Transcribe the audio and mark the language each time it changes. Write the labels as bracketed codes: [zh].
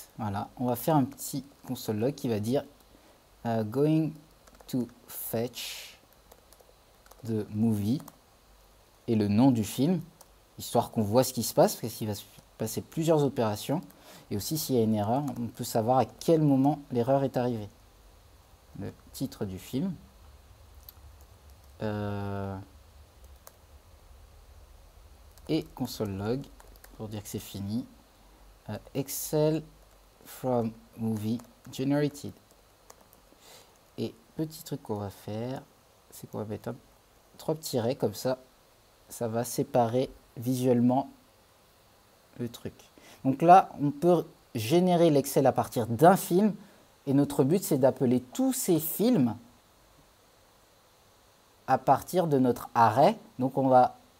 [fr] Voilà, on va faire un petit console log qui va dire [en] going to fetch the movie [fr] et le nom du film, histoire qu'on voit ce qui se passe, parce qu'il va se passer plusieurs opérations. Et aussi, s'il y a une erreur, on peut savoir à quel moment l'erreur est arrivée. Le titre du film. Et console log pour dire que c'est fini. [en] Excel from movie generated. [fr] Et petit truc qu'on va faire, c'est qu'on va mettre un, trois petits raies comme ça. Ça va séparer visuellement le truc. Donc là, on peut générer l'Excel à partir d'un film. Et notre but, c'est d'appeler tous ces films à partir de notre array. Donc on va.